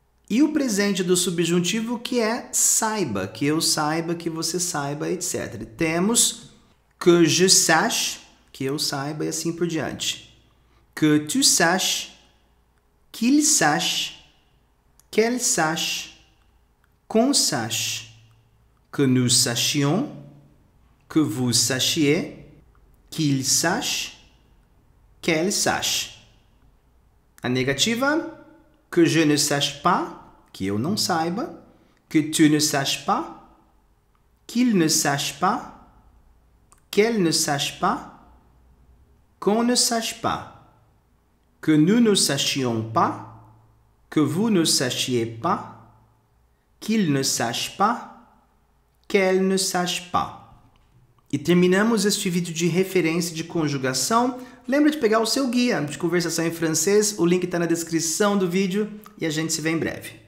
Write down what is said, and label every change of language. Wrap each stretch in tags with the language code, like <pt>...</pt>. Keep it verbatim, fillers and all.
<pt>E o presente do subjuntivo que é saiba, que eu saiba, que você saiba, et cetera. Temos que</pt> <fr>je sache,</fr> <pt>que eu saiba e assim por diante.</pt> <fr>Que tu saches, qu'il sache, qu'elle sache, qu'on sache, que nous sachions, que vous sachiez, qu'il sache, qu'elle sache.</fr> <pt>A negativa...</pt> <fr>Que je ne sache pas,</fr> <pt>que eu não saiba,</pt> <fr>que tu ne saches pas, qu'il ne sache pas, qu'elle ne sache pas, qu'on ne sache pas, que nous ne sachions pas, que vous ne sachiez pas, qu'il ne sache pas, qu'elle ne sache pas.</fr> <pt>E terminamos este vídeo de referência de conjugação. Lembra de pegar o seu guia de conversação em francês, o link está na descrição do vídeo e a gente se vê em breve.</pt>